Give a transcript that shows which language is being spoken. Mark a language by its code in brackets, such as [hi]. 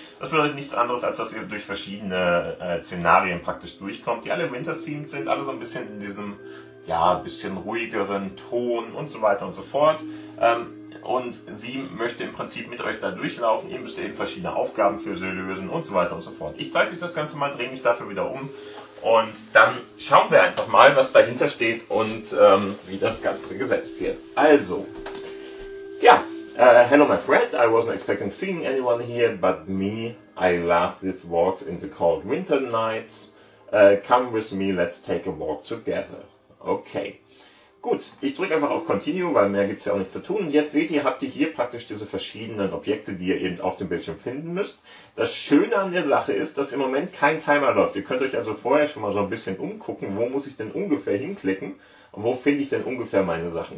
[de] Das bedeutet nichts anderes, als dass ihr durch verschiedene Szenarien praktisch durchkommt, die alle winter-themed sind, alle so ein bisschen in diesem, ja, bisschen ruhigeren Ton und so weiter und so fort. Und sie möchte im Prinzip mit euch da durchlaufen. Ihr müsst eben verschiedene Aufgaben für sie lösen und so weiter und so fort. Ich zeige euch das Ganze mal, drehe mich dafür wieder um. Und dann schauen wir einfach mal, was dahinter steht und wie das Ganze gesetzt wird. Also, ja, [en] hello my friend, I wasn't expecting seeing anyone here but me. I love these walks in the cold winter nights. Come with me, let's take a walk together. [de] Okay, gut, ich drücke einfach auf Continue, weil mehr gibt es ja auch nicht zu tun. Und jetzt seht ihr, habt ihr hier praktisch diese verschiedenen Objekte, die ihr eben auf dem Bildschirm finden müsst. Das Schöne an der Sache ist, dass im Moment kein Timer läuft. Ihr könnt euch also vorher schon mal so ein bisschen umgucken, wo muss ich denn ungefähr hinklicken und wo finde ich denn ungefähr meine Sachen.